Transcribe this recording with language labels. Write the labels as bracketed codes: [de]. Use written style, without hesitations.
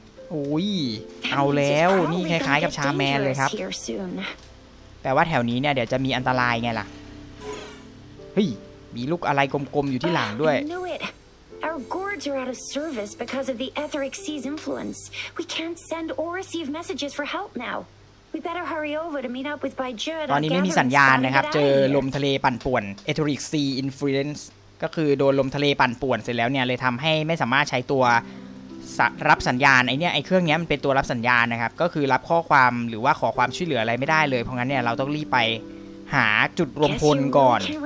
[th] โอ้ยเอาแล้วนี่คล้ายๆกับชาแมนเลยครับแปลว่าแถวนี้เนี่ยเดี๋ยวจะมีอันตรายไงล่ะเฮ้ยมีลูกอะไรกลมๆอยู่ที่หลังด้วย [en] Our gourds are out of service because of the Atheric Sea's influence. We can't send or receive messages for help now. We better hurry over to meet up with Bajur. [th] ตอนนี้ไม่มีสัญญาณนะครับเจอลมทะเลปั่นป่วน Etheric Sea Influence ก็คือโดนลมทะเลปั่นป่วนเสร็จแล้วเนี่ยเลยทำให้ไม่สามารถใช้ตัวรับสัญญาณไอเนี้ยไอเครื่องเนี้ยมันเป็นตัวรับสัญญาณนะครับก็คือรับข้อความหรือว่าขอความช่วยเหลืออะไรไม่ได้เลยเพราะงั้นเนี่ยเราต้องรีบไปหาจุดรวมพลก่อน